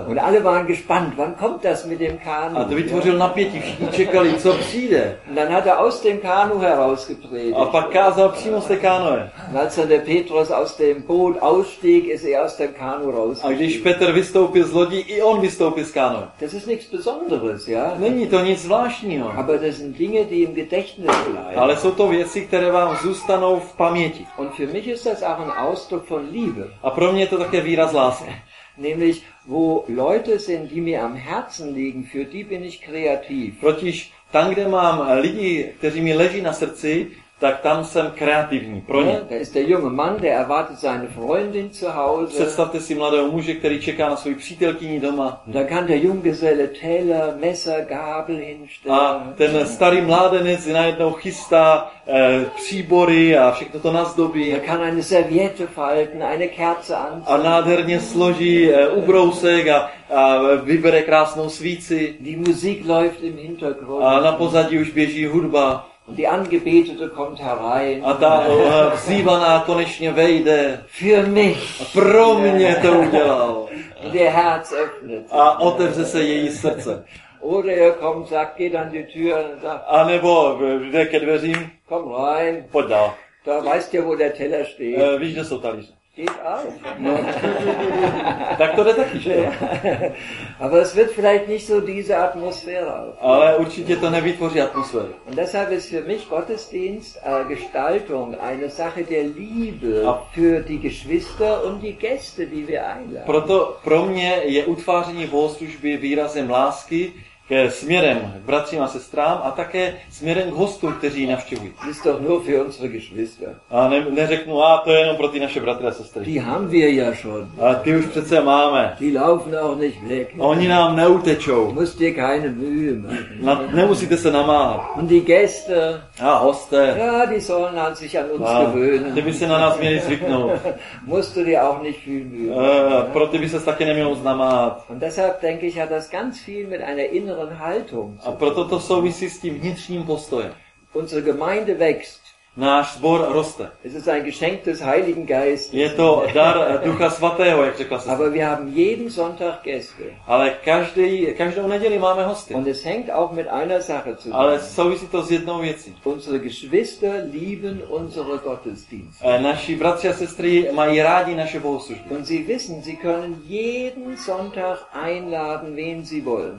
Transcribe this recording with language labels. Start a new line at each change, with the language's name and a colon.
German: Und alle waren gespannt, wann kommt das mit dem Kanu?
Czech: A to vytvořil napětí, všichni čekali, co přijde.
German: Und dann hat er aus dem Kanu herausgepredigt.
Czech: A pak kázal přímo z té kánoe.
German: Als dann der Petrus aus dem Boot ausstieg, ist er aus dem Kanu rausgestiegen.
Czech: A když Petr vystoupil z lodi, i on vystoupil z kanu.
German: Das ist nichts Besonderes, ja?
Czech: Není to nic zvláštního.
German: Aber das sind Dinge, die im Gedächtnis bleiben.
Czech: Ale jsou to věci, které vám zůstanou v paměti.
German: Und für mich ist das auch ein Ausdruck von Liebe.
Czech: A pro mě je to také výraz lásky.
German: nämlich wo Leute sind, die mir am Herzen liegen, für die bin ich kreativ.
Czech: Protiž tam, kde mám lidi, kteří mi leží na srdci, tak tam jsem kreativní. Pro ně.
German: Da ist der junge Mann, der erwartet seine Freundin zu Hause.
Czech: Představte si mladého muže, který čeká na svou přítelkyni doma.
German: Da kann der Junggeselle Teller, Messer, Gabel hinstellen.
Czech: A ten starý mládenec najednou chystá příbory a všechno to nazdobí.
German: Da kann eine Serviette falten, eine Kerze anzünden.
Czech: A nádherně složí ubrousek a vybere krásnou svíci.
German: Die Musik läuft im Hintergrund.
Czech: A na pozadí už běží hudba.
German: Und die Angebetete kommt herein.
Czech: A ta vzývaná konečně vejde.
German: Für mich.
Czech: Pro mě to udělal.
German: Und ihr Herz öffnet.
Czech: A otevře se její srdce.
German: Oder er kommt, sagt, geht an die Tür.
Czech: A nebo jde ke dveřím.
German: Komm rein.
Czech: Pojď dál.
German: Da weißt ihr, wo der Teller steht.
Czech: Víš, kde jsou talíře.
German: Geht auf.
Czech: No. Tak to jde taky, že?
German: Aber es wird vielleicht nicht so diese Atmosphäre.
Czech: Ale určitě to nevytvoří atmosféru.
German: Und deshalb ist für mich Gottesdienst Gestaltung eine Sache der Liebe für die Geschwister und die Gäste, die wir einladen.
Czech: Proto pro mě je utváření bohoslužby výrazem lásky ke směrem k bratřím a sestrám a také směrem k hostům, kteří ji navštěvují.
German: Das ist doch nur für unsere Geschwister.
Czech: A neřeknu, a to je jenom pro ty naše bratry a sestry.
German: Die haben wir ja schon.
Czech: A ty už přece máme.
German: Die laufen auch nicht weg.
Czech: Oni nám neutečou.
German: Musst dir keine Mühe machen.
Czech: Nemusíte se namáhat.
German: Und die Gäste.
Czech: A hoste.
German: Ja, die sollen an sich an uns gewöhnen.
Czech: Ty by se na nás měli zvyknout.
German: Musst du dir auch nicht viel Mühe machen.
Czech: Pro ty by ses taky neměl moc namáhat.
German: Und deshalb denke ich, hat das ganz viel mit einer inneren Haltung.
Czech: A proto to souvisí s tím vnitřním postojem.
German: Unsere Gemeinde wächst.
Czech: Náš sbor roste.
German: Es ist ein Geschenk des Heiligen Geistes.
Czech: Je to dar Ducha Svatého, jak řekla sestra.
German: Aber wir haben jeden Sonntag Gäste.
Czech: Ale každou neděli máme hosty.
German: Und es hängt auch mit einer Sache zusammen.
Czech: Ale souvisí to s jednou věcí.
German: Unsere Geschwister lieben unsere Gottesdienst.
Czech: Naši bratři a sestry mají rádi naše bohoslužby.
German: Und sie wissen, sie können jeden Sonntag einladen, wen sie wollen.